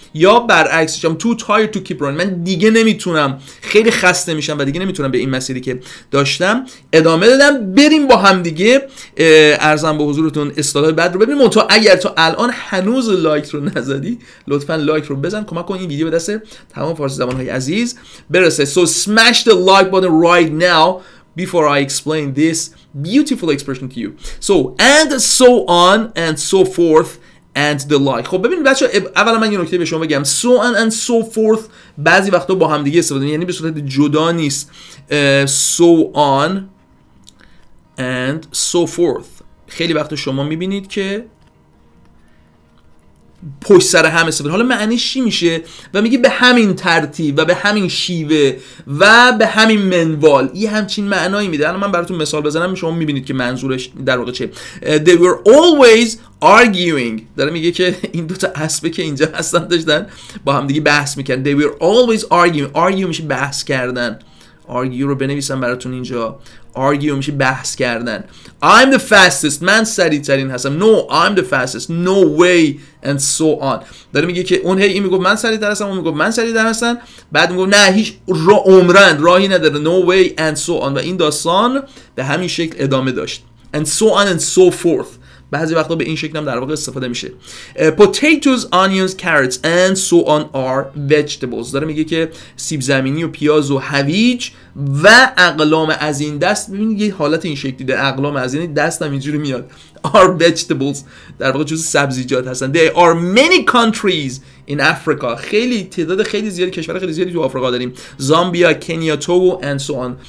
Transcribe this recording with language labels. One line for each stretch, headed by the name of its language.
Persian: یا برعکسش هم
English: too tired to keep running،
Persian: من دیگه نمیتونم، خیلی خسته میشم و دیگه نمیتونم به این مسیری که داشتم ادامه دادم، بریم با هم دیگه عرضم به حضورتون اصطلاح بعد رو ببینیم. تو اگر تو الان هنوز لایک رو نزدی لطفا لایک رو بزن، کمک کن این ویدیو به دست تمام فارسی زبان های عزیز برسه.
English: So smash the like button right now before I explain this beautiful expression to you. So and so on and so forth and the like.
Persian: خب ببینید بچه ها اولا من یه نکته به شما بگم.
English: So on and so forth
Persian: بعضی وقتا با هم دیگه استفاده یعنی به صورت جدا نیست.
English: So on and so forth
Persian: خیلی وقتا شما میبینید که پشت سر هم استفاده. حالا معنیش چی میشه؟ و میگه به همین ترتیب و به همین شیوه و به همین منوال، یه همچین معنایی میده. الان من براتون مثال بزنم شما میبینید که منظورش در واقع چیه.
English: They were always arguing.
Persian: داره میگه که این دوتا اسبه که اینجا هستن داشتن با هم دیگه بحث میکردن.
English: They were always arguing.
Persian: Argue میشه بحث کردن. Argue رو بنویسم براتون اینجا. Argue میشه بحث کردن.
English: I'm the fastest.
Persian: من سریع ترین هستم.
English: No, I'm the fastest. No way. And so on.
Persian: داره میگه که اون هی این میگفت من سریع تر هستم. اون میگفت من سریع تر هستم. بعد میگفت نه هیچ عمرن راهی نداره.
English: No way. And so on.
Persian: و این داستان به همین شکل ادامه داشت.
English: And so on and so forth.
Persian: بعضی وقتا به این شکل هم در واقع استفاده میشه.
English: Potatoes, onions, carrots and so on are vegetables.
Persian: داره میگه که سیب زمینی و پیاز و هویج و اقلام از این دست، ببینید یه حالت این شکلی ده، اقلام از این دست هم اینجوری میاد،
English: are vegetables،
Persian: در واقع جزء سبزیجات هستن.
English: There are many countries in Africa.
Persian: خیلی تعداد خیلی زیادی کشور خیلی زیادی تو آفریقا داریم. زامبیا، کنیا، توگو
English: and so on.